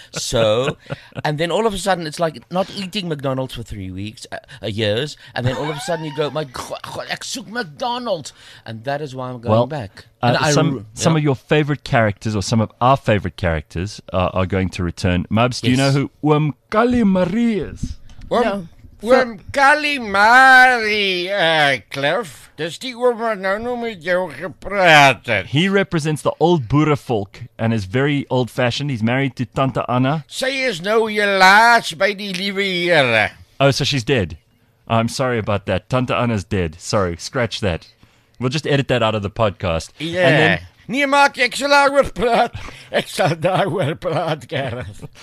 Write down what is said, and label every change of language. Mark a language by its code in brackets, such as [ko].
[en] So, and then all of a sudden, it's like not eating McDonald's for 3 weeks, years, and then all of a sudden you go, my God, [af] ek soek [en] McDonald's. And that is why I'm going well, back. Some of your favorite characters, or some of our favorite characters, are going to return. Mubs, do you know who Oom Kali Marie is? Oom Kali Marie, Cliff. [af] Dis die oom wat nou met jou gepraat het. [en] He represents the old Boere folk and is very old-fashioned. He's married to Tante Anna. [af] Sy is nou jy laas by die liewe Here. [en] Oh, so she's dead. I'm sorry about that. Tante Anna's dead. Sorry, scratch that. We'll just edit that out of the podcast. [af] Yeah. Nee, maak, ek sal daarover praat. Ek sal daarover praat, Gareth.